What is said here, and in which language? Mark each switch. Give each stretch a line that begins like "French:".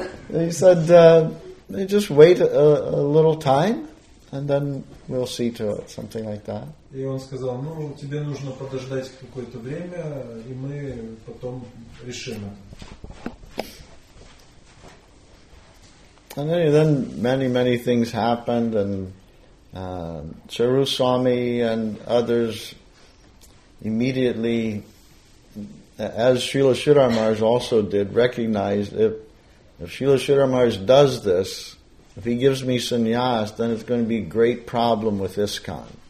English: He said, just wait a little time and then we'll see to it, something like that.
Russian: И он сказал, тебе нужно подождать какое-то время, и мы потом решим.
English: And then many, many things happened, and Charu Swami and others immediately, as Srila Sridhar Maharaj also did, recognized if Srila Sridhar Maharaj does this, if he gives me sannyas, then it's going to be a great problem with ISKCON.